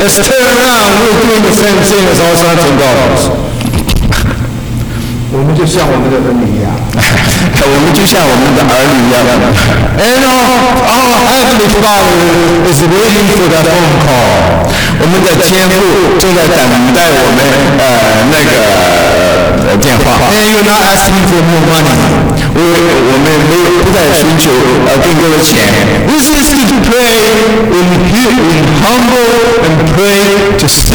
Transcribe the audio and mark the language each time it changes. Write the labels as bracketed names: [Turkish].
[English] Let's turn around, we're doing the same thing as our sons and daughters. [Chinese] 我们就像我们的儿女一样。我们就像我们的儿女一样。 [English] And our heavenly Father is waiting for that phone call. [Chinese] 我们的天父正在等待我们电话。 [English] And you're not asking for more money. [Chinese] 我们没有不再寻求更多的钱。 [English] This is to pray in humble and pray to